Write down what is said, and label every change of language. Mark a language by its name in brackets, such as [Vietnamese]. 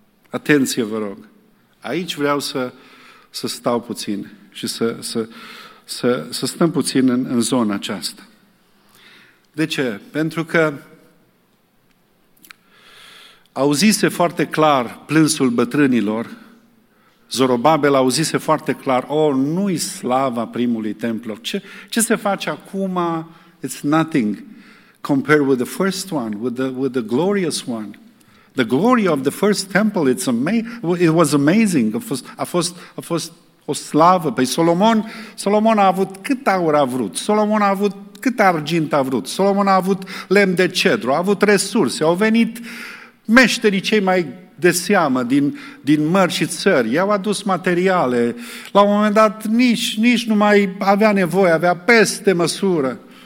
[Romanian] Atenție, vă rog, aici vreau să stau puțin și să stăm puțin în zona aceasta. De ce? Pentru că auzise foarte clar plânsul bătrânilor, Zorobabel auzise foarte clar, oh, nu-i slava primului templu. Ce se face acum? [English] It's nothing compared with the first one, with the glorious one. The glory of the first temple, it was amazing. [Romanian] A fost o slavă. Păi Solomon a avut cât aur a vrut. Solomon a avut cât argint a vrut. Solomon a avut lemn de cedru, a avut resurse, au venit meșterii cei mai de seamă din mări și țări, i-au adus materiale, la un moment dat nici nu mai avea nevoie, avea peste măsură.